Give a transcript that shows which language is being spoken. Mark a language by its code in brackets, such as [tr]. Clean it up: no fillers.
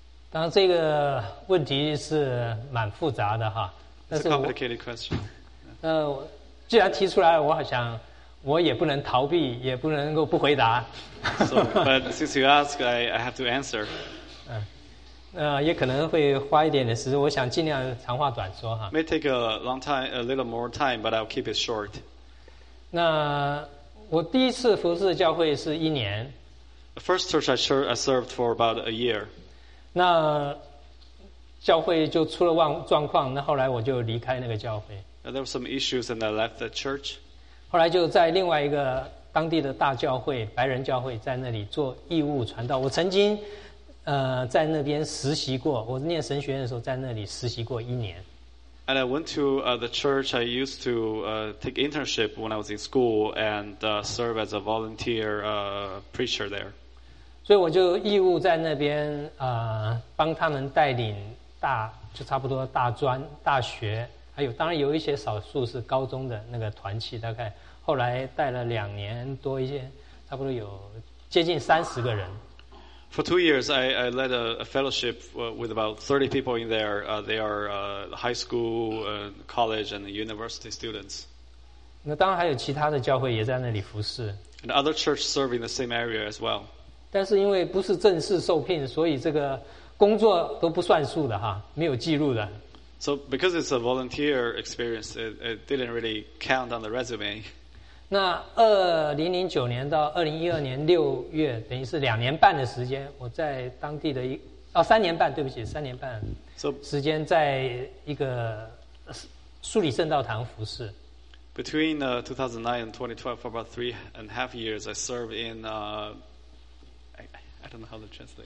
[zh] 当然这个问题是蛮复杂的哈，但是 [en] complicated question。 [zh] 既然提出来，我好像我也不能逃避，也不能够不回答。 [en] So, but since you ask, I have to answer. [zh] 也可能会花一点的时间，我想尽量长话短说哈。 [en] May take a long time, a little more time, but I'll keep it short. [zh] 那我第一次服侍教会是一年。 [en] The first church I served for about a year. [zh] 那教会就出了状况，那后来我就离开那个教会。 [en] There were some issues and I left the church. [zh] 后来就在另外一个当地的大教会，白人教会，在那里做义务传道。我曾经在那边实习过，我念神学院的时候在那里实习过一年。 [en] And I went to the church. I used to take internship when I was in school and serve as a volunteer preacher there. [zh] 所以我就义务在那边帮他们带领大就差不多大专大学还有当然有一些少数是高中的那个团契大概后来带了两年多一些差不多有接近三十个人。 [en] For 2 years, I led a fellowship with about 30 people in there. They are high school, college, and university students. [zh] 那当然还有其他的教会也在那里服事。 [en] And other church serve in the same area as well. [zh] 但是因为不是正式受聘，所以这个工作都不算数的哈，没有记录的。 [en] So because it's a volunteer experience, it didn't really count on the resume. [zh] 那2009年到2012年六月，等于是两年半的时间，我在当地的一哦三年半，对不起，三年半。 [en] So [zh] 时间在一个苏里圣道堂服事。 [en] Between 2009 and 2012, for about 3.5 years, I served in I don't know how to translate.